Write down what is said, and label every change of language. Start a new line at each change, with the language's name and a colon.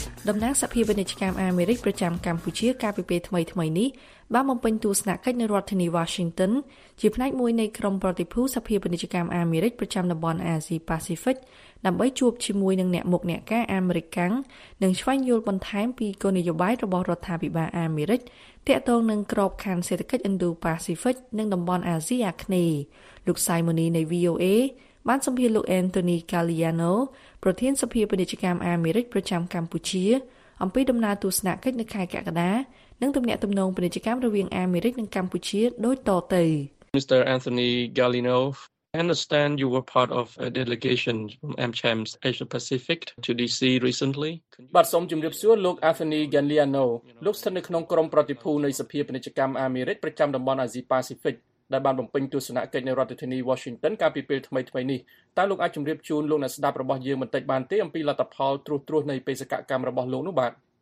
Khmer: ដំណាងសភាពាណិជ្ជកម្មអាមេរិកប្រចាំកម្ពុជាកាលពីពេលថ្មីៗនេះបានបំពេញទស្សនកិច្ចនៅរដ្ឋធានី Washington ជាផ្នែកមួយនៃក្រុមប្រតិភូសភាពាណិជ្ជកម្មអាមេរិកប្រចាំតំបន់អាស៊ី Pacific ដើម្បីជួបជាមួយនឹងអ្នកមុខអ្នកការអាមេរិកកាំងនិងស្វែងយល់បន្ថែមពីគោលនយោបាយរបស់រដ្ឋាភិបាលអាមេរិកទាក់ទងនឹងក្របខ័ណ្ឌសេដ្ឋកិច្ច Indo-Pacific និងតំបន់អាស៊ីអាគ្នេយ៍លោកសៃមូនីនៃ VOA បានសម្ភាសន៍លោក Anthony Galliano ប្រធានសភាពាណិជ្ជកម្មអាមេរិកប្រចាំកម្ពុជាអំពីដំណើរទស្សនកិច្ចនៅខែកក្កដានិងទំនាក់ទំនងពាណិជ្ជកម្មរវាងអាមេរិកនិងកម្ពុជាដូចតទៅ
English: Mr. Anthony Galliano, I understand you were part of a delegation from AmCham's Asia Pacific to DC recently.
Khmer: បាទសូមជម្រាបសួរលោក Anthony Galliano. លោកស្ថិតនៅក្នុងក្រុមប្រតិភូនៃសភាពាណិជ្ជកម្មអាមេរិកប្រចាំតំបន់អាស៊ី Pacific. ដែលបានបំពេញទស្សនកិច្ចនៅរដ្ឋធានី Washington កាលពីពេលថ្មីៗនេះតើលោកអាចជម្រាបជូនលោកអ្នកស្ដាប់របស់យើងបន្តិចបានទេអំពីលទ្ធផលត្រួសត្រាសនៃបេសកកម្មរបស់លោកនោះបាទ